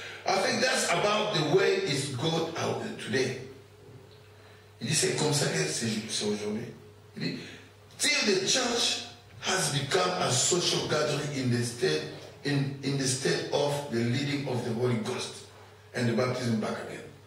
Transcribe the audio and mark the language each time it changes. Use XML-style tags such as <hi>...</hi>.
<en>I think that's about the way it's got out today.</en> <fr>Il dit, c'est comme ça que c'est aujourd'hui. Il dit,</fr> <en>till the church has become a social gathering in the state of the leading of the Holy Ghost and the baptism back again.</en>